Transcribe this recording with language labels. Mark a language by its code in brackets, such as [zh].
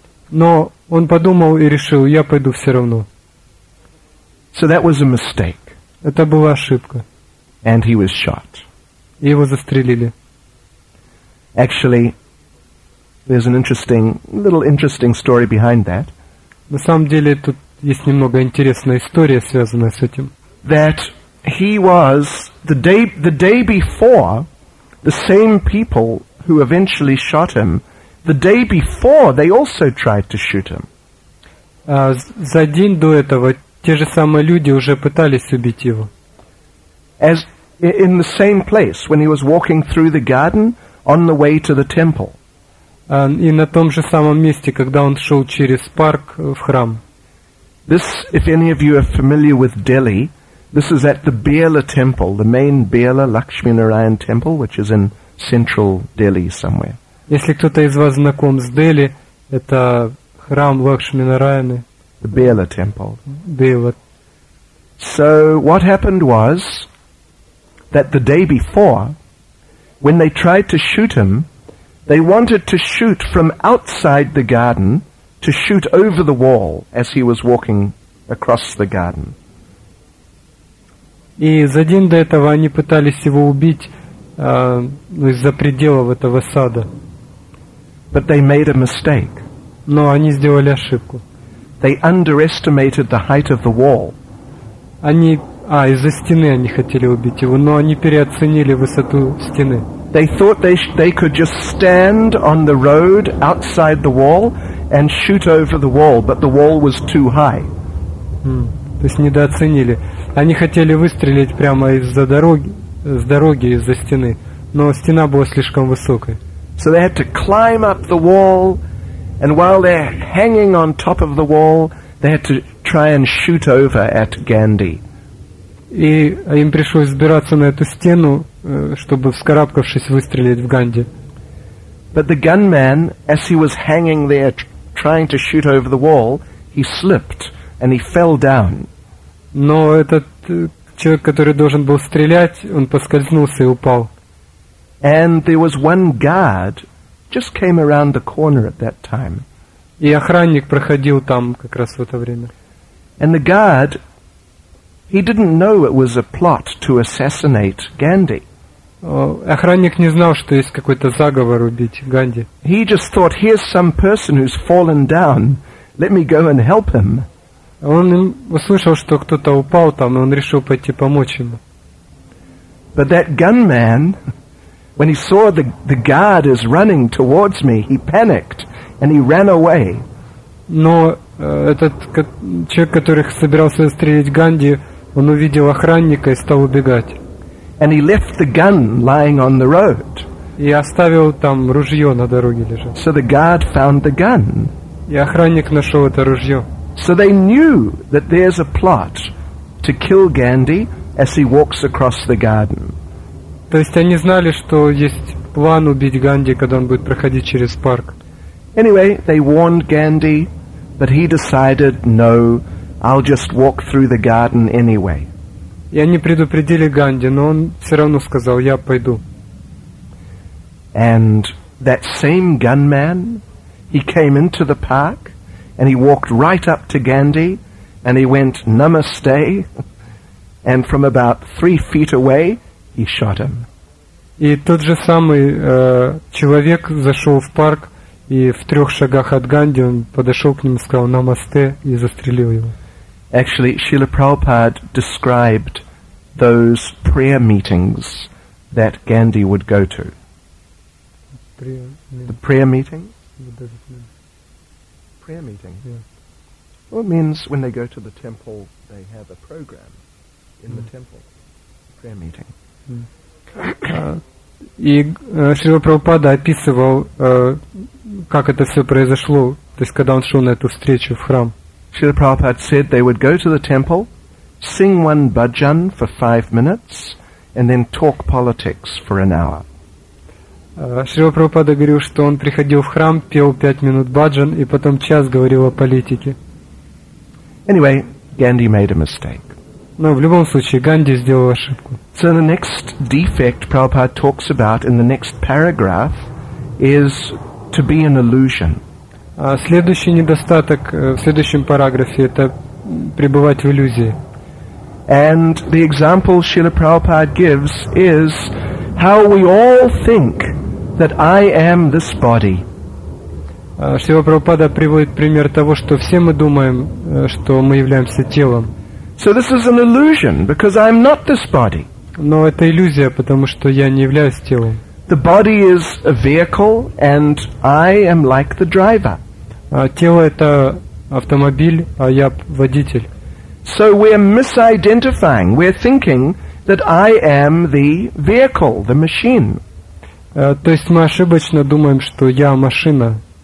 [ru] Но он подумал и решил, я пойду все равно. [en] So that was a mistake. [ru] Это была ошибка. [en] And he was shot. [ru] И его застрелили. [en] Actually, there's an interesting, little interesting story behind that. [ru] На самом деле, тут есть немного интересная история, связанная с этим. [en] That he was, the day before, the same people who eventually shot him, the day before, they also tried to shoot him. [ru] За день до этого те же самые люди уже пытались убить его. [en] As in the same place, when he was walking through the garden on the way to the temple. [ru] И на том же самом месте, когда он шел через парк в храм. [en] This, if any of you are familiar with Delhi, this is at the Birla temple, the main Birla Lakshmi Narayan temple, which is in central Delhi somewhere. [ru] Если кто-то из вас знаком с Дели, это храм Лакшми Нараяны. [en] The Birla temple. Birla. So what happened was that the day before, when they tried to shoot him, they wanted to shoot from outside the garden, to shoot over the wall as he was walking across the garden. [ru] И за день до этого они пытались его убить из-за пределов этого сада. [en] But they made a mistake. [ru] Но они сделали ошибку. [en] They underestimated the height of the wall. [ru] Они, из-за стены они хотели убить его, но они переоценили высоту стены. [en] They thought they could just stand on the road outside the wall and shoot over the wall, but the wall was too high. [ru] То есть недооценили. Они хотели выстрелить прямо из-за дороги, с дороги, из-за стены, но стена была слишком высокой. [en] So they had to climb up the wall, and while they're hanging on top of the wall, they had to try and shoot over at Gandhi. [ru] И им пришлось взбираться на эту стену, чтобы, вскарабкавшись, выстрелить в Ганди. [en] But the gunman, as he was hanging there trying to shoot over the wall, he slipped and he fell down. [ru] Но этот человек, который должен был стрелять, он поскользнулся и упал. [en] And there was one guard just came around the corner at that time. [ru] И охранник проходил там как раз в это время. [en] And the guard, he didn't know it was a plot to assassinate Gandhi. [ru] Охранник не знал, что есть какой-то заговор убить Ганди. [en] He just thought, here's some person who's fallen down. Let me go and help him. [ru] Он услышал, что кто-то упал там, и он решил пойти помочь ему. [en] But that gunman, when he saw the guard is running towards me, he panicked and he ran away. [ru] Но этот человек, который собирался стрелять Ганди, он увидел охранника и стал убегать. [en] And he left the gun lying on the road. [ru] И оставил там ружье на дороге лежать. [en] So the guard found the gun. [ru] И охранник нашел это ружье. [en] So they knew that there's a plot to kill Gandhi as he walks across the garden. [ru] То есть они знали, что есть план убить Ганди, когда он будет проходить через парк. [en] Anyway, they warned Gandhi, but he decided, no, I'll just walk through the garden anyway. [ru] И они предупредили Ганди, но он все равно сказал, я пойду. [en] And that same gunman, he came into the park, and he walked right up to Gandhi, and he went, Namaste, and from about 3 feet away, he shot him. [ru] И тот же самый человек зашел в парк, и в трех шагах от Ганди он подошел к нему, сказал Намасте, и застрелил его. [en] Actually, Srila Prabhupada described those prayer meetings that Gandhi would go to. The prayer meeting? Prayer meeting. Yeah. Well, it means when they go to the temple, they have a program in the temple. Prayer meeting. [ru] И Шрила Прабхупада описывал, как это все произошло, то есть когда он шел на эту встречу в храм. [en] Шрила Прабхупада said they would go to the temple, sing one bhajan for 5 minutes, and then talk politics for an hour. [ru] Шрила Прабхупада говорил, что он приходил в храм, пел 5 минут баджан и потом час говорил о политике. [en] Anyway, Gandhi made a mistake. [ru] Но в любом случае, Ганди сделал ошибку. [en] So the next defect Prabhupada talks about in the next paragraph is to be an illusion. [ru] Следующий недостаток в следующем параграфе – это пребывать в иллюзии. [en] And the example Srila Prabhupada gives is how we all think that I am this body. [ru] Шрила Прабхупада приводит пример того, что все мы думаем, что мы являемся телом. [en] So this is an illusion, because I'm not this body. [ru] Но это иллюзия, потому что я не являюсь телом. [en] The body is a vehicle, and I am like the driver. [ru] Тело — это автомобиль, а я водитель. [en] So we're misidentifying, we're thinking that I am the vehicle, the machine. [ru] То есть мы ошибочно думаем, что я машина.